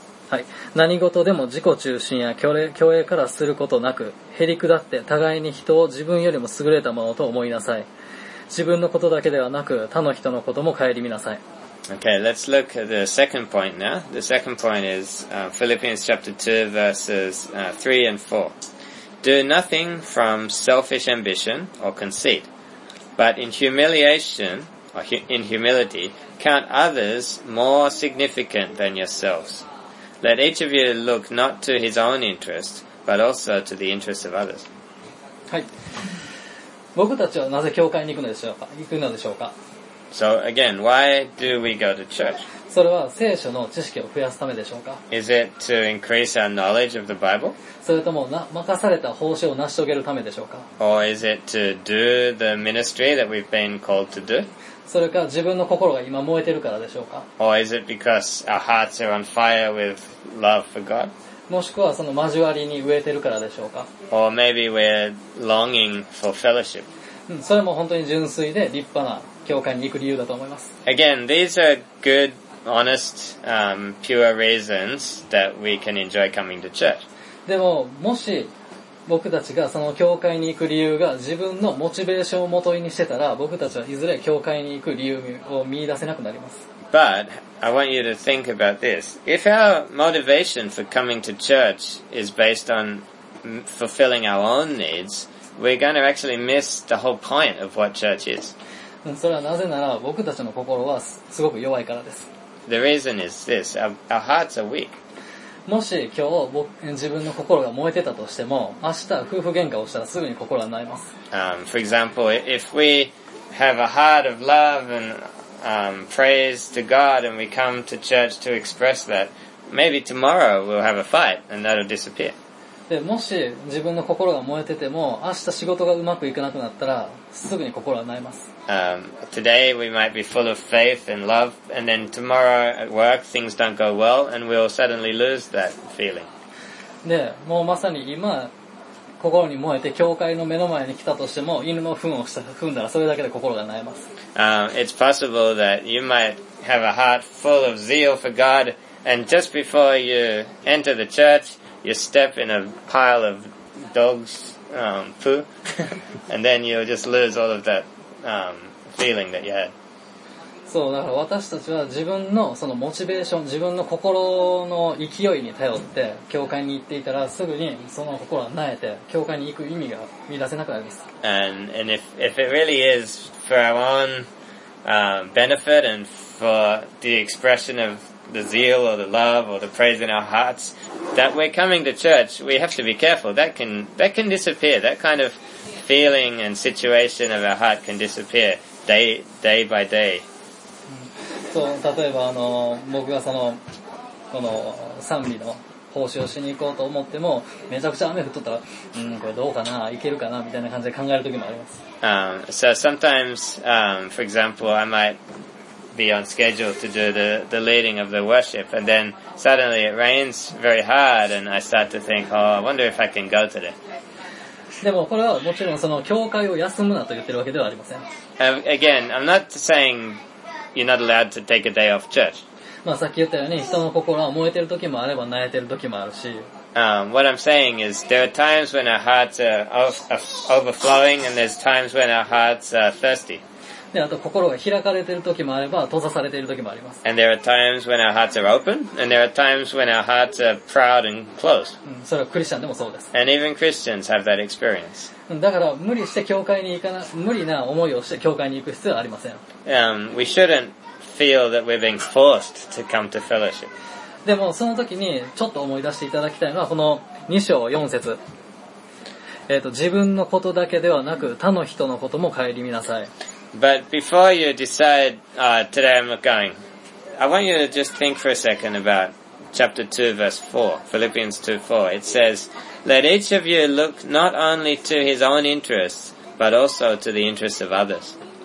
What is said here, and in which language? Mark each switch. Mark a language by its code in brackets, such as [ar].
[ja] はい、何事でも自己中心や虚栄からすることなく、へり下って互いに人を自分よりも優れたものと思いなさい。自分のことだけではなく他の人のことも顧みなさい。 [en] Okay, let's look at the second point now. The second point is Philippians chapter 2 verses 3 and 4. Do nothing from selfish ambition or conceit, but in humiliation, or in humility, count others more significant than yourselves. Let each of you look not to his own interest, but also to the interest of others. [ja] はい。僕たちはなぜ教会に行くのでしょうか？ [en] So again, why do we go to church? [ja] それは聖書の知識を増やすためでしょうか？ [en] Is it to increase our knowledge of the Bible? [ja] それとも任された奉仕を成し遂げるためでしょうか？ [en] Or is it to do the ministry that we've been called to do? [ja] それか自分の心が今燃えてるからでしょうか？ [en] Or is it because our hearts are on fire with love for God? [ja] もしくはその交わりに飢えてるからでしょうか？ [en] Or maybe we're longing for fellowship. [ja] それも本当に純粋で立派な教会に行く理由だと思います。 [en] Again, these are good, honest, pure reasons that we can enjoy coming to church. [ja] でも、もし僕たちがその教会に行く理由が自分のモチベーションをもとにしてたら、僕たちはいずれ教会に行く理由を見出せなくなります。 [en] But I want you to think about this. If our motivation for coming to church is based on fulfilling our own needs, we're going to actually miss the whole point of what church is. [ja] それはなぜなら僕たちの心はすごく弱いからです。 [en] The reason is this. Our hearts are weak. [ja] もし今日僕自分の心が燃えてたとしても、明日夫婦喧嘩をしたらすぐに心は萎えます。 [en] For example, if we have a heart of love and praise to God and we come to church to express that, maybe tomorrow we'll have a fight and that'll disappear. [ja] でもし自分の心が燃えてても明日仕事がうまくいかなくなったらすぐに心は萎えます。 [en] Today we might be full of faith and love and then tomorrow at work things don't go well and we'll suddenly lose that feeling. [ja] で、もうまさに今心に燃えて教会の目の前に来たとしても犬の糞を踏んだらそれだけで心が萎えます。 [en] It's possible that you might have a heart full of zeal for God and just before you enter the churchYou step in a pile of dog's poo, and then you'll just lose all of that feeling that you had. [ja] そう、だから私たちは自分のそのモチベーション、自分の心の勢いに頼って教会に行っていたら、すぐにその心は萎えて教会に行く意味が見出せなくなります。 [en] And if it really is for our own benefit and for the expression of the zeal or the love or the praise in our hearts. That we're coming to church, we have to be careful. That can disappear. That kind of feeling and situation of our heart can disappear day by day. So, [ja] 例えば僕がそのこの賛美の奉仕をしに行こうと思っても、めちゃくちゃ雨降っとったら、これどうかな、行けるかなみたいな感じで考える時もあります。 [en] So sometimes, for example, I might be on schedule to do the leading of the worship, and then. Suddenly it rains very hard and I start to think, oh, I wonder if I can go today. [ja] でもこれはもちろんその教会を休むなと言ってるわけではありません。 [en] Again, I'm not saying you're not allowed to take a day off church. [ja] まあさっき言ったように人の心は燃えてる時もあれば萎えてる時もあるし。 [en] What I'm saying is there are times when our hearts are overflowing and there's times when our hearts are thirsty. [ja] で、あと心が開かれている時もあれば閉ざされている時もあります。 [en] And there are times when our hearts are open, and there are times when our hearts are proud and closed. [ja] それはクリスチャンでもそうです。 [en] And even Christians have that experience. [ja] だから無理して教会に行かな、無理な思いをして教会に行く必要はありません。 [en] We shouldn't feel that we're being forced to come to fellowship. [ja] でもその時にちょっと思い出していただきたいのはこの2章4節。自分のことだけではなく他の人のことも顧みなさい。 [en] But before you decide, today I'm not going, I want you to just think for a second about chapter 2 verse 4, Philippians 2:4. It says, let each of you look not only to his own interests, but also to the interests of others.